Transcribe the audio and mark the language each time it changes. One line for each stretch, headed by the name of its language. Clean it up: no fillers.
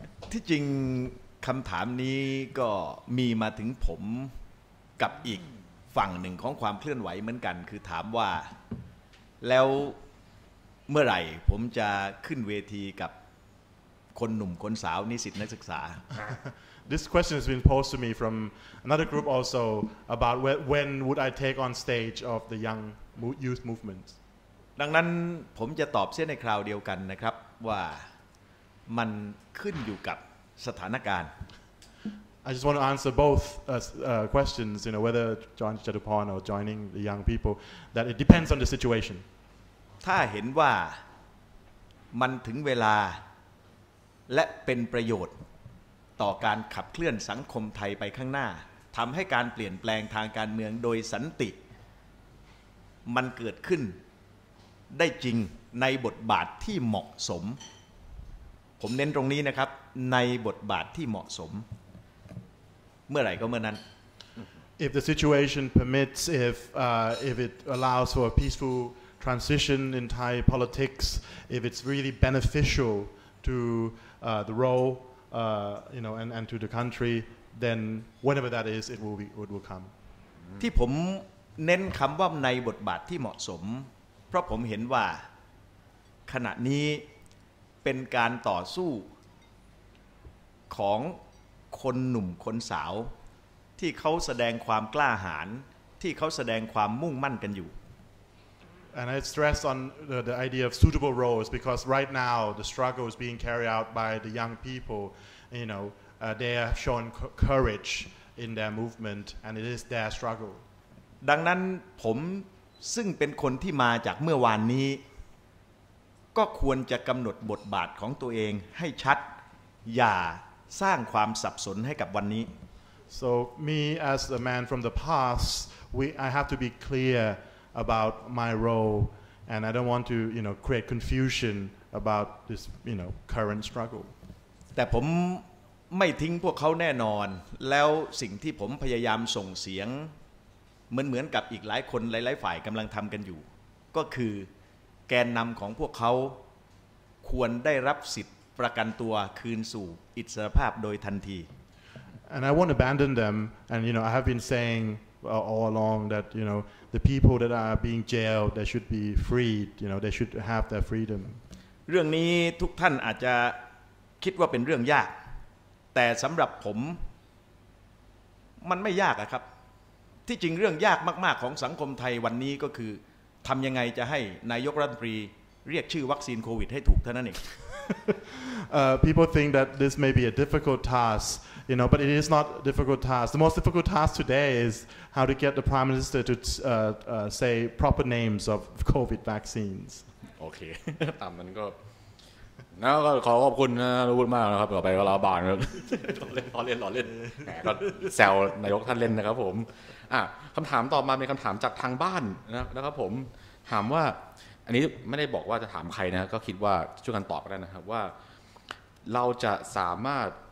Thai: ที่จริงคำถามนี้ก็มีมาถึงผมกับอีกฝั่งหนึ่งของความเคลื่อนไหวเหมือนกันคือถามว่าแล้วเมื่อไหร่ผมจะขึ้นเวทีกับคนหนุ่มคนสาวนิสิตนักศึกษา
English: This question has been posed to me from another group also about when would I take on stage of the young youth movement
Thai: ดังนั้นผมจะตอบเสียในคราวเดียวกันนะครับว่ามันขึ้นอยู่กับสถานการณ์
English: I just want to answer both questions you know whether John Chattopon or joining the young people that it depends on the situation
Thai: ถ้าเห็นว่ามันถึงเวลาและเป็นประโยชน์ต่อการขับเคลื่อนสังคมไทยไปข้างหน้าทำให้การเปลี่ยนแปลงทางการเมืองโดยสันติมันเกิดขึ้นได้จริงในบทบาทที่เหมาะสมผมเน้นตรงนี้นะครับในบทบาทที่เหมาะสมเมื่อไหร่ก็เมื่อนั้น
English: If the situation permits if it allows for a peaceful transition in Thai politics if it's really beneficial to the role you know and to the country then whenever that is it will come
Thai: ที่ผมเน้นคำว่าในบทบาทที่เหมาะสมเพราะผมเห็นว่าขณะนี้เป็นการต่อสู้ของคนหนุ่มคนสาวที่เขาแสดงความกล้าหาญที่เขาแสดงความมุ่งมั่นกันอยู่
English: And I stress on the idea of suitable roles because right now the struggle is being carried out by the young people you know they have shown courage in their movement and it is their struggle
Thai: ดังนั้นผมซึ่งเป็นคนที่มาจากเมื่อวานนี้ก็ควรจะกำหนดบทบาทของตัวเองให้ชัดอย่าสร้างความสับสนให้กับวันนี้
English: So me as a man from the past I have to be clear about my role and I don't want to you know create confusion about this you know current struggle
Thai: แต่ผมไม่ทิ้งพวกเขาแน่นอนแล้วสิ่งที่ผมพยายามส่งเสียงเหมือนกับอีกหลายคนหลายๆฝ่ายกำลังทำกันอยู่ก็คือแกนนำของพวกเขาควรได้รับสิทธิ์ประกันตัวคืนสู่อิสรภาพโดยทันที
English: And I won't abandon them and you know I have been saying all along that you know the people that are being jailed they should be freed you know they should have their freedom
Thai: เรื่องนี้ทุกท่านอาจจะคิดว่าเป็นเรื่องยากแต่สำหรับผมมันไม่ยากครับที่จริงเรื่องยากมากๆของสังคมไทยวันนี้ก็คือทำยังไงจะให้นายกรัฐมนตรีเรียกชื่อวัคซีนโควิดให้ถูกเท่านั้นเอง
English: people think that this may be a difficult task, you know, but it is not a difficult task. The most difficult task today is how to get the Prime Minister to say proper names of COVID vaccines.
Thai: Okay, ตามนั้นก็แล้วก็ขอขอบคุณนะรู้มากนะครับต่อไปก็รับบานรอเล่นแหมก็แซวนายกท่านเล่นนะครับผมอ่ะคำถามต่อมาเป็นคำถามจากทางบ้านนะครับผมถามว่าอันนี้ไม่ได้บอกว่าจะถามใครนะก็คิดว่าช่วยกันตอบกันได้นะครับว่าเราจะสามารถ